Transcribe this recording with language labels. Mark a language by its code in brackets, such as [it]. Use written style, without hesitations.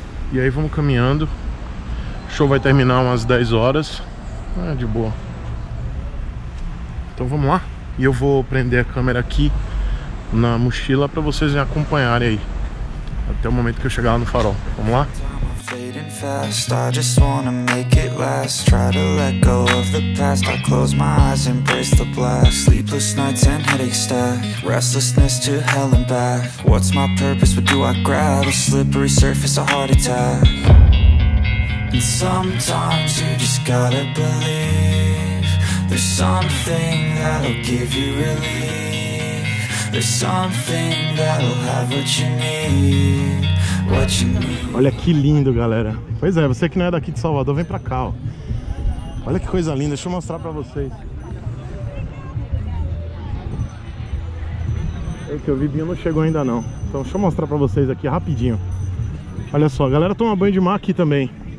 [pt] E aí vamos caminhando, o show vai terminar umas 10 horas, é de boa. Então vamos lá, e eu vou prender a câmera aqui na mochila pra vocês me acompanharem aí, até o momento que eu chegar lá no Farol, vamos lá? [en] Fading fast, I just wanna make it last. Try to let go of the past. I close my eyes, embrace the blast. Sleepless nights and headache stack. Restlessness to hell and back. What's my purpose? What do I grab? A slippery surface, a heart attack. And sometimes you just gotta believe there's something that'll give you relief. There's something that'll have what you need. [pt] Olha que lindo, galera. Pois é, você que não é daqui de Salvador, vem pra cá, ó. Olha que coisa linda, deixa eu mostrar pra vocês. É que o Vibinho não chegou ainda não. Então deixa eu mostrar pra vocês aqui rapidinho. Olha só, a galera toma banho de mar aqui também.